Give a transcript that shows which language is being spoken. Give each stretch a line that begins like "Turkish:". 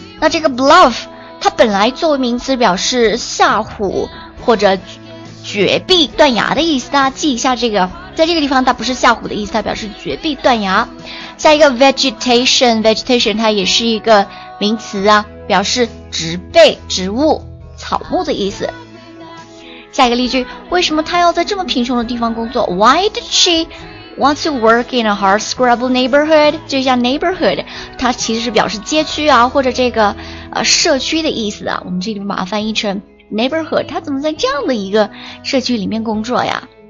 Chinese: 那这个 bluff 它本来作为名词表示吓唬或者绝壁断崖的意思，大家记一下这个，在这个地方它不是吓唬的意思，它表示绝壁断崖。下一个 vegetation 它也是一个名词啊，表示植被、植物、草木的意思。下一个例句，为什么她要在这么贫穷的地方工作？
English: Why did she want to work in a hard scrabble neighborhood?
Chinese: 就像 neighborhood 它其实是表示街区啊，或者这个社区的意思啊，我们这里把它翻译成Neighborhood， 他怎么在这样的一个社区里面工作呀？